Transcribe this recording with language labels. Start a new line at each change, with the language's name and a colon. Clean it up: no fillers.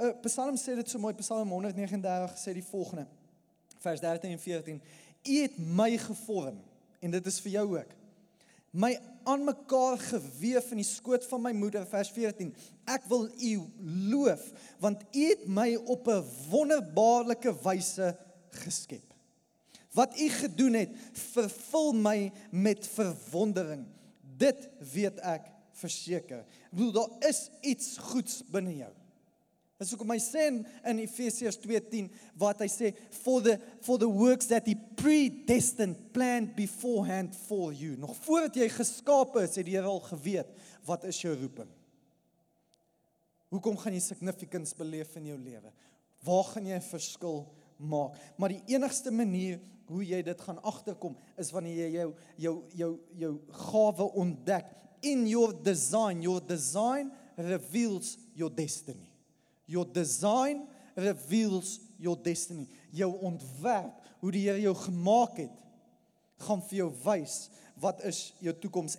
Afrikaans: Psalm sê dit so mooi, Psalm 139 sê die volgende, vers 13 en 14, U het my gevorm, en dit is vir jou ook, my aan mekaar geweef in die skoot van my moeder, vers 14, ek wil U loof, want U het my op 'n wonderbaarlike wyse geskep. Wat U gedoen het, vervul my met verwondering. Dit weet ek verseker. Ek bedoel, daar is iets goeds binnen jou. Dit is ook my sê in Efesiërs 2:10, wat hy sê,
English: for the works that he predestined planned beforehand for you.
Afrikaans: Nog voordat jy geskaap is, het jy al geweet, wat is jou roeping? Hoekom gaan jy significance beleef in jou leven? Waar gaan jy verskil maak? Maar die enigste manier hoe jy dit gaan achterkom, is wanneer jy jou gave ontdek.
English: In your design reveals your destiny. Your design reveals your destiny.
Afrikaans: Jou ontwerp, hoe die Heer jou gemaak het, gaan vir jou wys wat is jou toekoms.